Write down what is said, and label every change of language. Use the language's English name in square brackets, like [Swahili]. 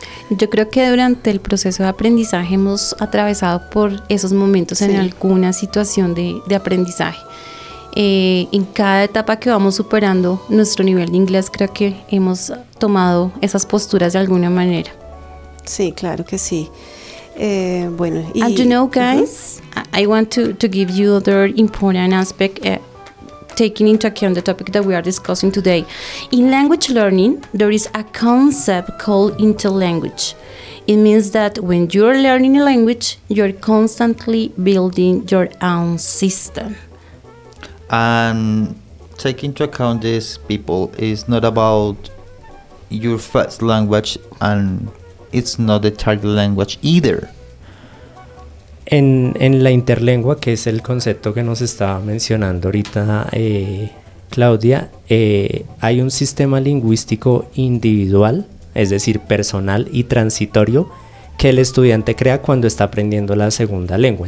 [Spanish] Yo creo que durante el proceso de aprendizaje hemos atravesado por esos momentos sí. en alguna situación de aprendizaje. En cada etapa que vamos superando nuestro nivel de inglés, creo que hemos tomado esas posturas de alguna manera. Sí, claro que sí. Bueno, [English] y, and you know, guys, uh-huh. I want to give you another important aspect. Taking into account the topic that we are discussing today. In language learning, there is a concept called interlanguage. It means that when you're learning a language, you're constantly building your own system. And taking into account this, people, is not about your first language, and it's not the target language either. [Spanish] En la interlengua, que es el concepto que nos estaba mencionando ahorita Claudia, hay un sistema lingüístico individual, es decir, personal y transitorio, que el estudiante crea cuando está aprendiendo la segunda lengua.